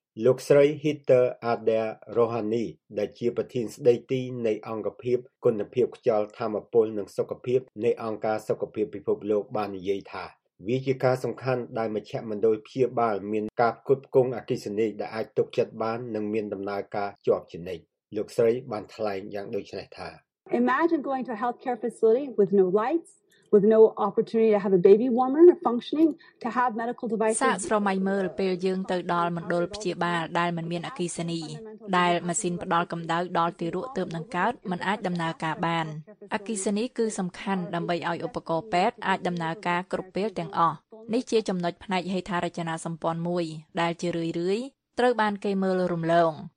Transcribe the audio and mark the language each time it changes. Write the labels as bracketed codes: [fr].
[km] លោកស្រី Hitter Adair Rohani ដែលជាប្រធានស្ដីទីនៃអង្គភាពគុណភាពខ្យល់ធម្មពលនិងសុខភាពនៃអង្គការសុខភាពពិភពលោកបាននិយាយថាវាជាការសំខាន់ដែលមជ្ឈមណ្ឌលព្យាបាលមានការផ្គត់ផ្គង់អគ្គិសនីដែលអាចទុកចិត្តបាននិងមានដំណើរការជាប់ជានិច្ចលោកស្រីបានថ្លែងយ៉ាងដូចនេះថា [en] Imagine going to a healthcare facility with no lights with no opportunity to have a baby warmer functioning to have medical devices [km] សាស្ត្រមៃមើលពេលយើងទៅដល់មណ្ឌលព្យាបាលដែលមិនមានអគ្គិសនីដែលម៉ាស៊ីនផ្ដល់កម្ដៅដល់ទីរក់ទើបនឹងកើត [th] มัน [km] អាចដំណើរការបានអគ្គិសនីគឺសំខាន់ដើម្បីឲ្យឧបករណ៍ពេទ្យអាចដំណើរការគ្រប់ពេលទាំងអស់នេះជាចំណុចផ្នែកហេដ្ឋារចនាសម្ព័ន្ធមួយដែលជារឿយៗត្រូវបានគេមើលរំលង